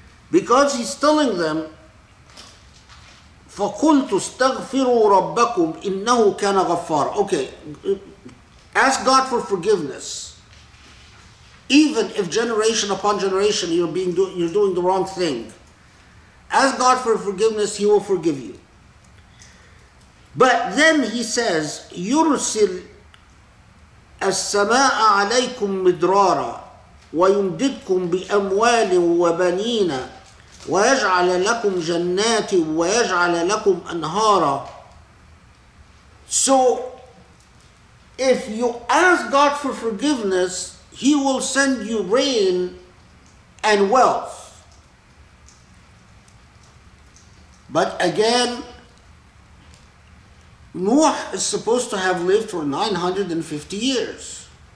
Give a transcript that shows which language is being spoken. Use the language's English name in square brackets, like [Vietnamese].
[English] Because he's telling them, [Arabic] فَقُلْتُ اسْتَغْفِرُوا رَبَّكُمْ إِنَّهُ كَانَ غَفَّارًا. [English] Okay, ask God for forgiveness. Even if generation upon generation you're doing the wrong thing, ask God for forgiveness, he will forgive you. But then he says, [Arabic] يُرْسِلْ السَّمَاءَ عَلَيْكُمْ مِدْرَارًا وَيُمْدِدْكُمْ بِأَمْوَالٍ وَبَنِينَ ويجعل لكم جنات ويجعل لكم أنهارا. [English] So if you ask God for forgiveness, he will send you rain and wealth. But again, Nuh is supposed to have lived for 950 years.